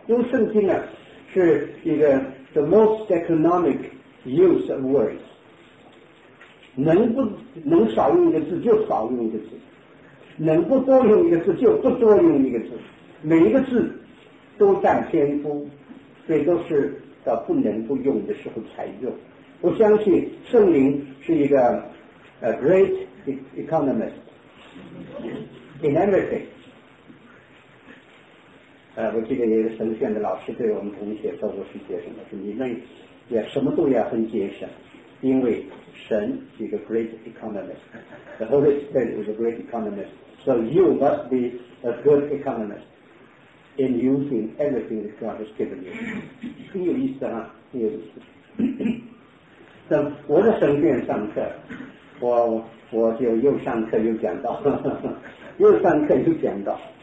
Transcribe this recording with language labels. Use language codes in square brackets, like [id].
[zh] 因为圣经呢是一个 [en] the most economic use of words， [zh] 能少用一个字就少用一个字，能不多用一个字就不多用一个字，每一个字都占篇幅，所以都是到不能不用的时候才用。我相信圣灵是一个 [en] A great economist in everything。 [zh] 我记得有一个神学院的老师对我们同学说，我是学生的，说你们也什么都要很节省，因为神是一个 [en] great economist， the Holy Spirit is a great economist， so you must be a good economist in using everything that God has given you。 [zh] 很有意思啊，很有意思。那我的神学院上课，我就又上课又讲到，又上课又讲到，